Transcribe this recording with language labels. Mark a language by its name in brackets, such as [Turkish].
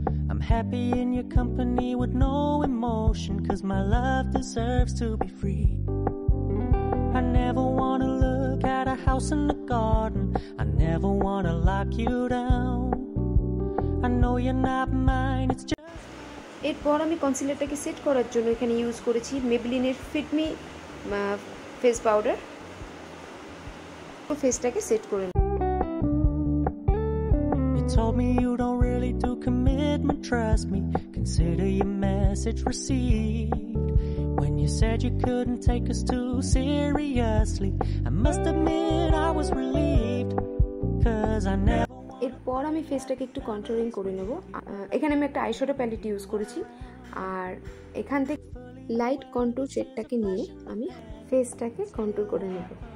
[English] I'm happy in your company with no emotion, 'cause my love deserves to be free. I never wanna look at a house in the garden, I never wanna lock you down. I know you're not mine, it's just... [Bangla] এরপর আমি কনসিলারটাকে set করার জন্য এখানে use করেছি মেবলিনের fit me face powder. ফেসটাকে set করে [English] Told me you don't really do commitment, trust me, consider your message received. When you said you couldn't take us too seriously, I must admit I was relieved, 'cause I never wanted... [Bangla] এরপর আমি ফেসটাকে একটু controlling করে নেব। এখানে আমি একটা eyeshadow palette use করেছি, আর এখান থেকে লাইট কন্ট্রোল শেডটাকে নিয়ে আমি ফেসটাকে কন্ট্রোল করে নেব।